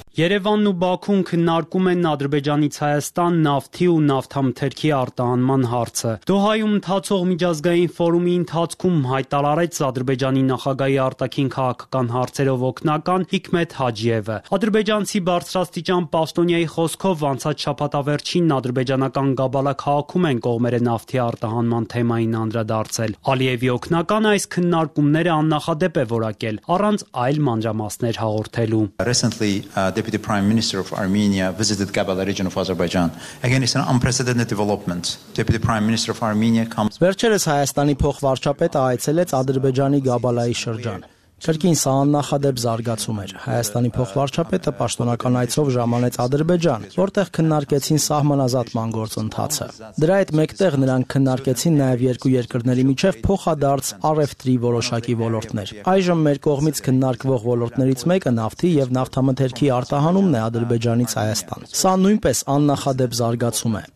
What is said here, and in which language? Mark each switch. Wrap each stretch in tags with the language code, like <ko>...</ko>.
<hy>Երևանն ու Բաքուն քննարկում են Ադրբեջանից Հայաստան նավթի ու նավթամթերքի արտահանման հարցը։ Դոհայում ընթացող միջազգային ֆորումի ընթացքում հայտարարեց Ադրբեջանի նախագահի արտաքին քաղաքական հարցերով օգնական Հիքմետ Հաջիևը։ Ադրբեջանցի բարձրաստիճան պաշտոնյայի խոսքով անցած շաբաթավերջին ադրբեջանական Գաբալա քաղաքում են կողմերը նավթի արտահանման թեմային անդրադարձել։ Ալիևի օգնական այս քննարկումները աննախադեպ է որակել, առանց այլ մանրամասներ հաղորդելու։</hy> <en>Deputy Prime Minister of Armenia visited Gabala region of Azerbaijan. Again, it's an unprecedented development. Deputy Prime Minister of Armenia comes.</en> <hy>Վերջերս Հայաստանի փոխվարչապետը այցելեց Ադրբեջանի Գաբալայի շրջան։ Կրկին սա աննախադեպ զարգացում էր։ Հայաստանի փոխվարչապետը պաշտոնական այցով ժամանեց Ադրբեջան, որտեղ քննարկեցին սահմանազատման գործընթացը։ Դրա հետ մեկտեղ նրանք քննարկեցին նաև երկու երկրների միջև փոխադարձ առևտրի որոշակի ոլորտներ։ Այժմ մեր կողմից քննարկվող ոլորտներից մեկը նավթի և նավթամթերքի արտահանումն է Ադրբեջանից Հայաստան։ Սա նույնպես աննախադեպ զարգացում է։</hy>